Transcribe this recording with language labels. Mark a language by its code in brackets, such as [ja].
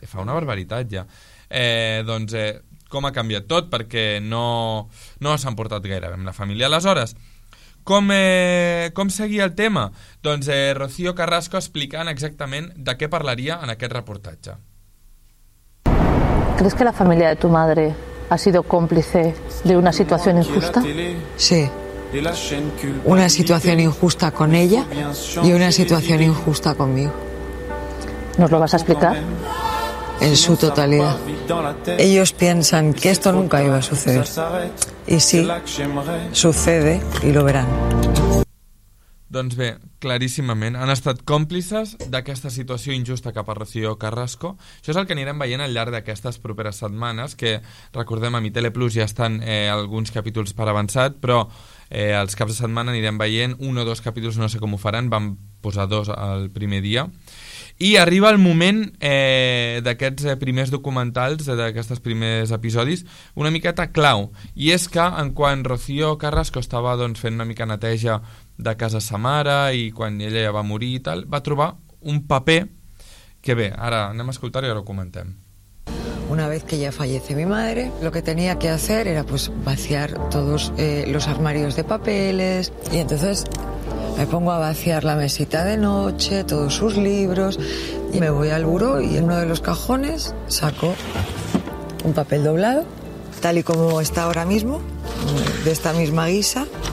[ca] Fa una barbaritat ja. Doncs com ha canviat tot? Perquè no s'han portat gaire amb la família. Aleshores, com seguia el tema? Doncs Rocío Carrasco explicant exactament de què parlaria en aquest reportatge. [es] ¿Crees que la familia de tu madre ha sido cómplice de una situación injusta? Sí. Una situación injusta con ella y una situación injusta conmigo. ¿Nos lo vas a explicar? En su totalidad. Ellos piensan que esto nunca iba a suceder. Y sí, sucede y lo verán. [ca] Doncs bé, claríssimament, han estat còmplices d'aquesta situació injusta cap a Rocío Carrasco. Això és el que anirem veient al llarg d'aquestes properes setmanes, que recordem, a Mitele Plus ja estan alguns capítols per avançat, però els caps de setmana anirem veient un o dos capítols, no sé com ho faran, vam posar dos el primer dia. I arriba el moment d'aquests primers documentals, d'aquestes primers episodis, una miqueta clau, i és que en quan Rocío Carrasco estava doncs, fent una mica neteja de casa sa mare i quan ella ja va morir i tal, va trobar un paper que bé, ara anem a escoltar i ara ho comentem. [es] Una vez que ya fallece mi madre, lo que tenía que hacer era pues vaciar todos los armarios de papeles y entonces me pongo a vaciar la mesita de noche, todos sus libros y me voy al buró y en uno de los cajones saco un papel doblado tal y como está ahora mismo, de esta misma guisa.